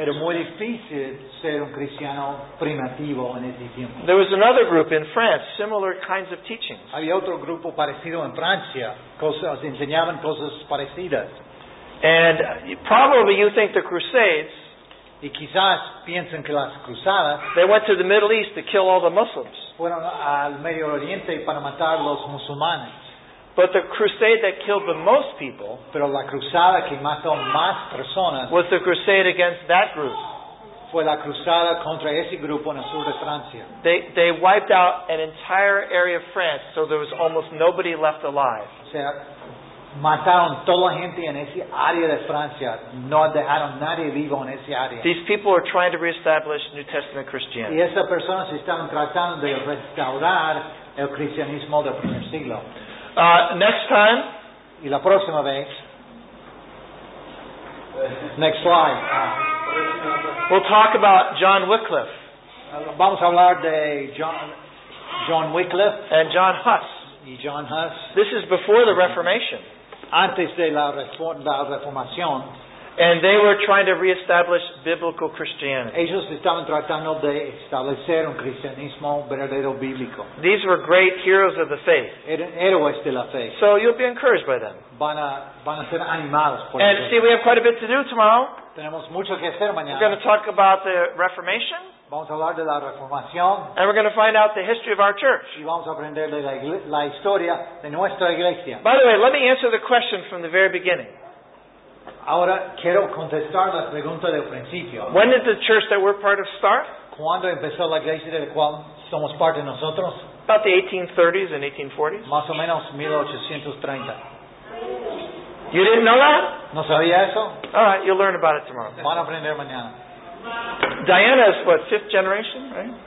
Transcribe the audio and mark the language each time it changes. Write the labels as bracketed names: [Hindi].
[Spanish] Era muy difícil ser un cristiano primitivo en ese tiempo. [English] There was another group in France, similar kinds of teachings. [Spanish] Había otro grupo parecido en Francia, cosas, enseñaban cosas parecidas. [English] And probably you think the Crusades, [Spanish] y quizás piensen que las cruzadas, [English] they went to the Middle East to kill all the Muslims. [Spanish] Fueron al Medio Oriente para matar los musulmanes. [English] But the crusade that killed the most people, [Spanish] pero la cruzada que mató más personas, [English] was the crusade against that group. [Spanish] Fue la cruzada contra ese grupo en el sur de Francia. [English] They wiped out an entire area of France, so there was almost nobody left alive. [Spanish] O sea, mataron toda la gente en ese área de Francia. No dejaron nadie vivo en ese área. [English] These people are trying to reestablish New Testament Christianity. [Spanish] Y esas personas estaban tratando de restaurar el cristianismo del primer siglo. [English] Next time. [Spanish] Y la próxima vez. [English] Next slide. We'll talk about John Wycliffe. [Spanish] Vamos a hablar de John Wycliffe. [English] And John Huss. [Spanish] Y John Huss. [English] This is before the Reformation. [Spanish] Antes de la reformación. [English] And they were trying to reestablish biblical Christianity. [Spanish] Ellos estaban tratando de establecer un cristianismo verdadero bíblico. [English] These were great heroes of the faith. [Spanish] Héroes de la fe. [English] So you'll be encouraged by them. [Spanish] Van a ser animados por [English] and see, we have quite a bit to do tomorrow. [Spanish] Tenemos mucho que hacer mañana. [English] We're going to talk about the Reformation. [Spanish] Vamos a hablar de la Reformación. [English] And we're going to find out the history of our church. [Spanish] Y vamos a aprender de la historia de nuestra iglesia. [English] By the way, let me answer the question from the very beginning. [Spanish] Ahora quiero contestar la pregunta del principio. [English] When did the church that we're part of start? [Spanish] ¿Cuándo empezó la iglesia de la cual somos parte nosotros? [English] About the 1830s and 1840s. [Spanish] Más o menos 1830. [English] You didn't know that? [Spanish] ¿No sabía eso? [English] All right, you'll learn about it tomorrow. [Spanish] Van a aprender mañana. [English] Diana is what, fifth generation, right?